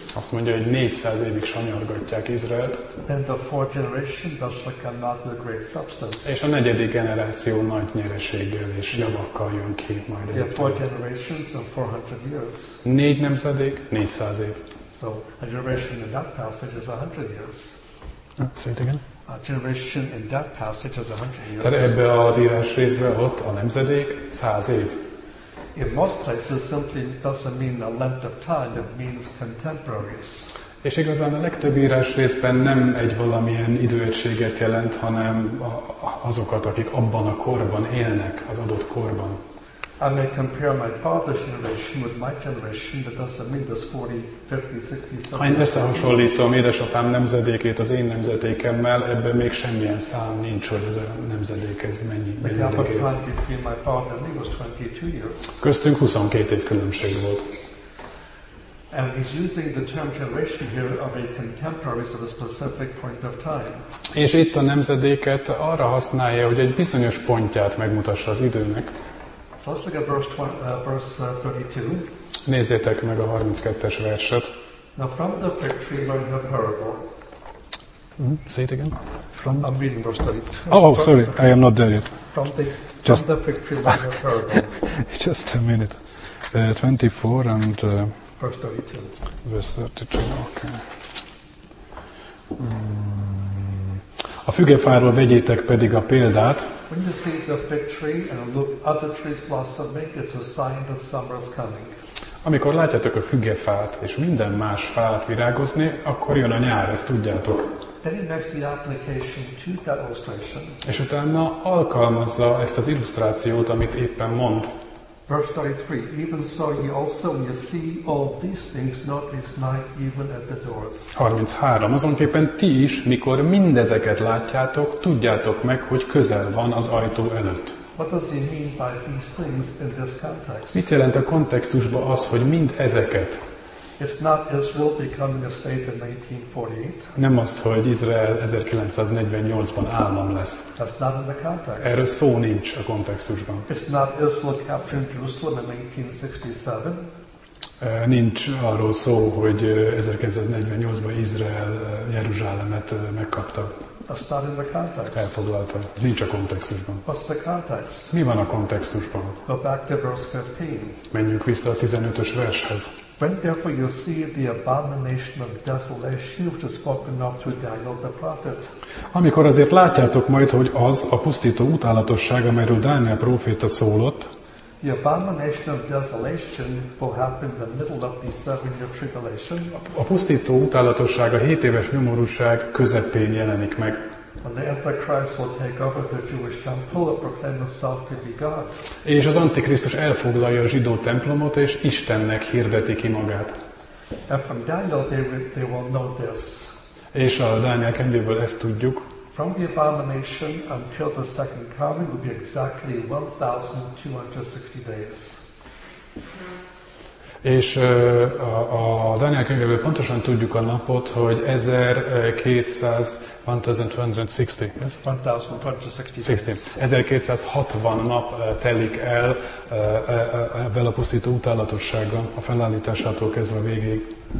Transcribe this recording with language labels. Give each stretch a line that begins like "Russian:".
Hungarian: Azt mondja, hogy 400 évig sanyargatják Izraelt.
English: Then the fourth generation does come out with great substance.
Hungarian: És a negyedik generáció nagy nyereséggel és javakkal jön ki majd.
English: The four generations and 400 years.
Hungarian: Négy nemzedék, 400 év.
English: So a generation in that passage is 100 years. Say it again. A generation in that passage is 100 years.
Hungarian: Tehát ebbe az írás részbe ott a nemzedék 100 év.
English: In most places simply doesn't mean a length of time, it means contemporaries.
Hungarian: És igazán a legtöbb írás részben nem egy valamilyen időegységet jelent, hanem azokat, akik abban a korban élnek, az adott korban.
English: I may compare my father's generation with my generation, but doesn't mean this 40, 50, 60, 70.
Hungarian: Ha én összehasonlítom édesapám nemzedékét az én nemzedékemmel, ebben még semmilyen szám nincs, hogy ez a nemzedék ez mennyi.
English: The gap of time between my father and me was 22 years.
Hungarian: Köztünk 22 év különbség volt.
English: And he's using the term generation here of a contemporary, so a specific point of time.
Hungarian: És itt a nemzedéket arra használja, hogy egy bizonyos pontját megmutassa az időnek.
English: So let's look at verse 32.
Hungarian: Nézzétek meg a 32-es verset.
English: Now from the fig tree learn the parable. Say it again. From I'm reading verse 32. Oh, sorry, I am not there yet. From the fig tree learn the parable. Just a minute. 24 and verse 32. Verse 32. Okay.
Hungarian: A fügefáról vegyétek pedig a példát.
English: When you see the fig tree and look other trees blossoming, it's a sign that summer is coming.
Hungarian: Amikor látjátok a fügefát és minden más fát virágozni, akkor jön a nyár, ezt tudjátok.
English: Then he makes the application to that illustration.
Hungarian: És utána alkalmazza ezt az illusztrációt, amit éppen mond.
English: Verse 33. Even so, ye also, when you see all these things, not this night, even at the doors. 33.
Hungarian: Azonképpen ti is, mikor mindezeket látjátok, tudjátok meg, hogy közel van az ajtó előtt.
English: What does he mean by these things in this context?
Hungarian: Mit jelent a kontextusban az, hogy mind ezeket?
English: It's not Israel becoming a state in 1948.
Hungarian: Nem azt, hogy Izrael 1948-ban állam lesz.
English: That's not in the context.
Hungarian: Erről szó nincs a kontextusban.
English: It's not Israel capturing Jerusalem in 1967.
Hungarian: Nincs arról szó, hogy 1948-ban Izrael Jeruzsálemet megkapta.
English: That's not in the context.
Hungarian: Elfoglalta. Nincs a kontextusban.
English: What's the context?
Hungarian: Mi van a kontextusban?
English: Go back to verse 15.
Hungarian: Menjünk vissza a 15-ös vershez.
English: When therefore you see the abomination of desolation which is spoken of through Daniel the prophet.
Hungarian: Amikor azért látjátok majd, hogy az a pusztító utálatosság, amelyről Dániel próféta szólott.
English: The abomination of desolation will happen in the middle of the 7-year tribulation.
Hungarian: A pusztító utálatosság, a 7 éves nyomorúság közepén jelenik meg.
English: When the Antichrist will take over the Jewish temple and proclaim himself to be God.
Hungarian: És az Antikrisztus elfoglalja a zsidó templomot és Istennek hirdeti ki magát.
English: And from Daniel they will know this.
Hungarian: És a Dániel könyvéből ezt tudjuk.
English: From the abomination until the second coming will be exactly 1260 days.
Hungarian: És a Dániel könyvéből pontosan tudjuk a napot, hogy 1260 nap telik el ebben a pusztító utálatossággal, a felállításától kezdve a végéig.